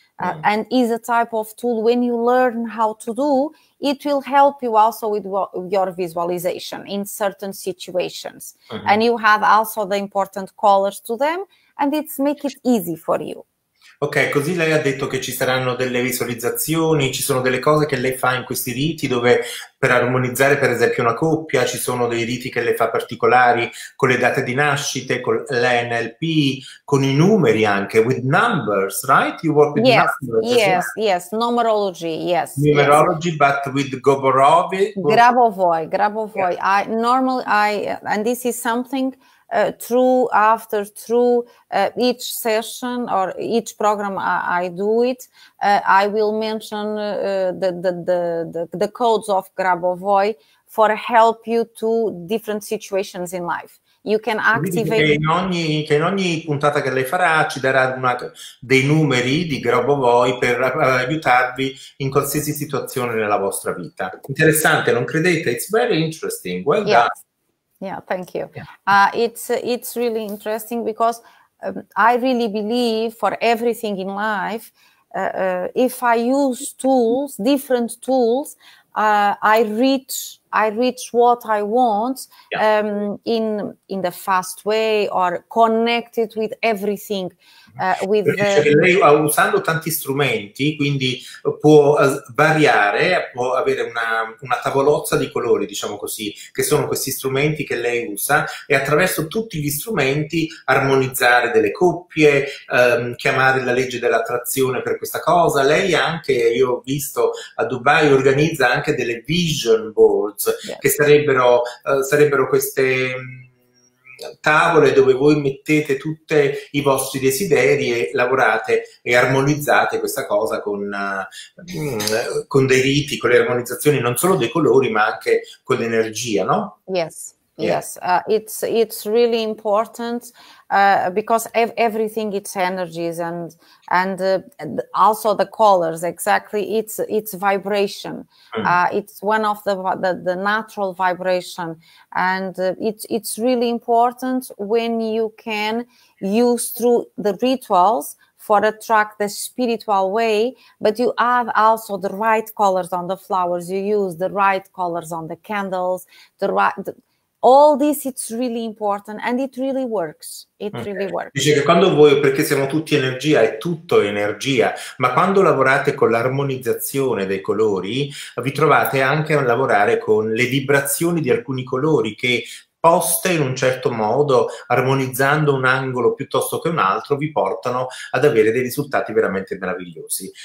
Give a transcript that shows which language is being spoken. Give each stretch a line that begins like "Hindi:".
English: And is a type of tool when you learn how to do, it will help you also with your visualization in certain situations. Mm-hmm. And you have also the important colors to them, and it's make it easy for you.
Italian: Ok, così lei ha detto che ci saranno delle visualizzazioni, ci sono delle cose che lei fa in questi riti dove per armonizzare per esempio una coppia ci sono dei riti che lei fa particolari con le date di nascita, con l'NLP, con i numeri anche,
English: with numbers, right? You work with Yes, numbers as well. numerology, yes. Numerology, but with Goborovi. Grabovoi, grabovoi. And this is something true after true each session or each program I do it. I will mention the codes of Grabovoi for help you to different situations in life. You can
Italian: Quindi dice
English: activate.
Italian: che in ogni puntata che lei farà ci darà dei numeri di Grabovoi per aiutarvi in qualsiasi situazione nella vostra vita. Interessante, non credete?
English: It's very interesting. Well done. Yeah, thank you. It's really interesting because I really believe for everything in life, if I use tools, different tools, I reach what I want in the fast way or connected with everything, with
Italian: Dice che
English: the
Italian: lei usando tanti strumenti, quindi può variare, può avere una tavolozza di colori, diciamo così, che sono questi strumenti che lei usa, e attraverso tutti gli strumenti armonizzare delle coppie, chiamare la legge dell'attrazione per questa cosa. Lei anche, io ho visto a Dubai, organizza anche delle vision boards, che
English: Yes.
Italian: sarebbero queste tavole dove voi mettete tutti i vostri desideri e lavorate e armonizzate questa cosa con dei riti, con le armonizzazioni non solo dei colori, ma anche con l'energia, no?
English: Yes. It's really important because ev everything it's energies and also the colors exactly. It's vibration. It's one of the natural vibration, and it's really important when you can use through the rituals for attract the spiritual way, but you add also the right colors on the flowers. You use the right colors on the candles. All this it's really important and it really works. It really works.
Italian: Dice che quando voi, perché siamo tutti energia, è tutto energia, ma quando lavorate con l'armonizzazione dei colori, vi trovate anche a lavorare con le vibrazioni di alcuni colori che, poste in un certo modo, armonizzando un angolo piuttosto che un altro, vi portano ad avere dei risultati veramente meravigliosi.